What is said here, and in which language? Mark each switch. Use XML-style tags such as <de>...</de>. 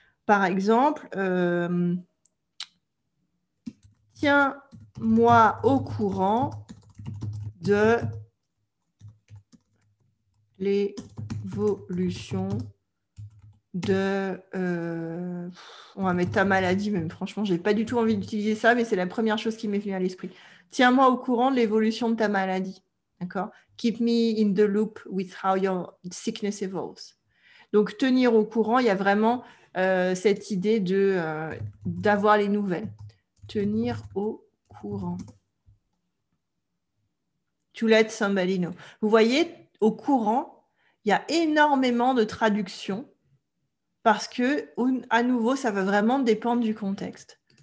<fr>Par exemple, tiens-moi au courant de l'évolution de. Ouais, mais ta maladie, même franchement, j'ai pas du tout envie d'utiliser ça, mais c'est la première chose qui m'est venue à l'esprit. Tiens-moi au courant de l'évolution de ta maladie. D'accord?</fr> <en>Keep me in the loop with how your sickness evolves.</en> <fr>Donc, tenir au courant, il y a vraiment cette idée de, d'avoir les nouvelles. Tenir au courant.</fr> <en>To let somebody know.</en> <fr>Vous voyez, au courant, il y a énormément de traductions parce que, à nouveau, ça va vraiment dépendre du contexte.</fr>